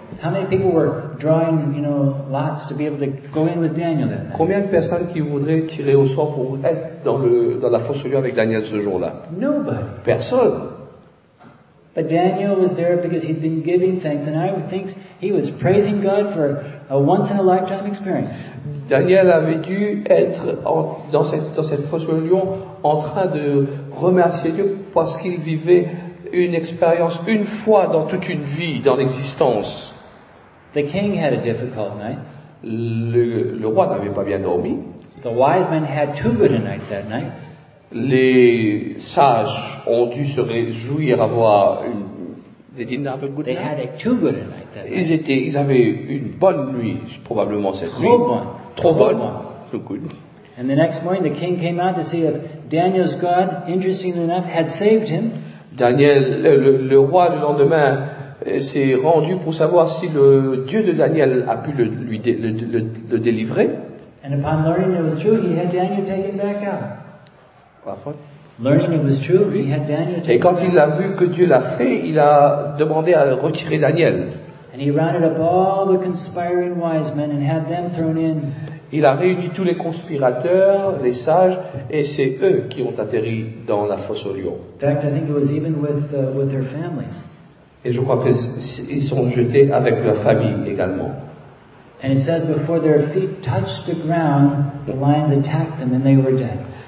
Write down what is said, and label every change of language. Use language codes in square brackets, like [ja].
[en] How many people were drawing, you know, lots to be able to go in with Daniel then? [fr] Combien de personnes qui voudraient tirer au sort pour être dans la fosse au lion avec Daniel ce jour-là? [en] Nobody. [fr] Personne. [en] But Daniel was there because he'd been giving thanks, and I would think he was praising God for a once-in-a-lifetime experience. [fr] Daniel avait dû être dans cette fosse au lion en train de remercier Dieu parce qu'il vivait une expérience une fois dans toute une vie, dans l'existence. [en] The king had a difficult night. [fr] Le roi n'avait pas bien dormi. [en] The wise men had too good a night that night. [fr] Les sages ont dû se réjouir d'avoir une [en] They didn't have a good they night. They had a too good a night. [fr] Ils avaient une bonne nuit, probablement cette trop nuit. Bonne. Trop bonne. [en] So good. And the next morning, the king came out to see if Daniel's God, interestingly enough, had saved him. [fr] Daniel, le roi, le lendemain, s'est rendu pour savoir si le Dieu de Daniel a pu le délivrer. [en] And upon learning it was true, he had Daniel taken back out. [fr] Parfois. [en] Learning it was true, oui. He had Daniel taken [fr] Et quand [en] back [fr] il a vu que Dieu l'a fait, il a demandé à retirer Daniel. [en] And he rounded up all the conspiring wise men and had them thrown in. [fr] Il a réuni tous les conspirateurs, les sages, et c'est eux qui ont atterri dans la fosse aux lions. [en] In fact, I think it was even with their families. [fr] Et je crois qu'ils sont jetés avec leur famille également. [en] And it says before their feet touched the ground, the lions attacked them and they were dead.